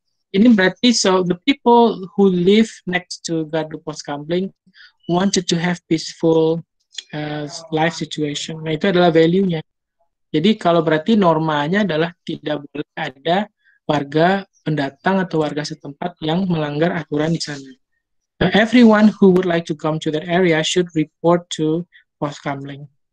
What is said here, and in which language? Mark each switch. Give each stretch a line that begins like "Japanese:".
Indonesian: Ini berarti,
English: so the people who live next to Gardu Post Gambling wanted to have peaceful life situation.
Indonesian: Nah, itu adalah value-nya. Jadi, kalau berarti normanya adalah tidak boleh ada warga pendatang atau warga setempat yang melanggar aturan di sana.
English: So, everyone who would like to come to that area should report to Post Gambling.